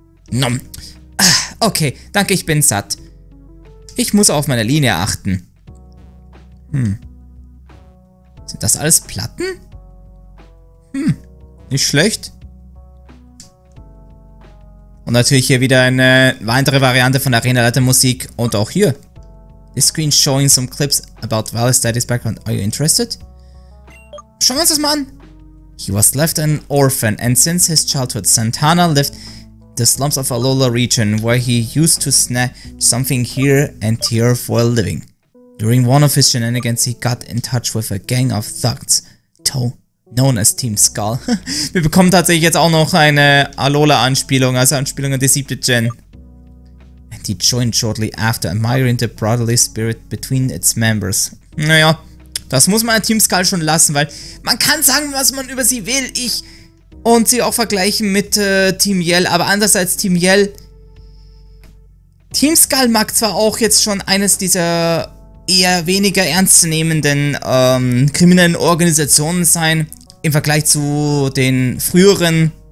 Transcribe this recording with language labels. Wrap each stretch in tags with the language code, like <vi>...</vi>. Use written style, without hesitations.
<de>Nom. Ah, okay, danke, ich bin satt. Ich muss auf meine Linie achten. Sind das alles Platten? Nicht schlecht. Und natürlich hier wieder eine weitere Variante von Arena-Leiter-Musik. Und auch hier.</de> <en>The screen showing some clips about Valis Daddy's background. Are you interested?</en> <de>Schauen wir uns das mal an.</de> <en>He was left an orphan and since his childhood, Santana lived in the slums of Alola region where he used to snag something here and here for a living. During one of his shenanigans, he got in touch with a gang of thugs, known as Team Skull.</en> <de>Wir bekommen tatsächlich jetzt auch noch eine Alola-Anspielung, also Anspielung an die siebte Gen.</de> <en>And he joined shortly after, admiring the brotherly spirit between its members.</en> <de>Naja, das muss man an Team Skull schon lassen, weil man kann sagen, was man über sie will, ich und sie auch vergleichen mit Team Yell, aber anders als Team Yell, Team Skull mag zwar auch jetzt schon eines dieser eher weniger ernstzunehmenden kriminellen Organisationen sein, im Vergleich zu den früheren.</de>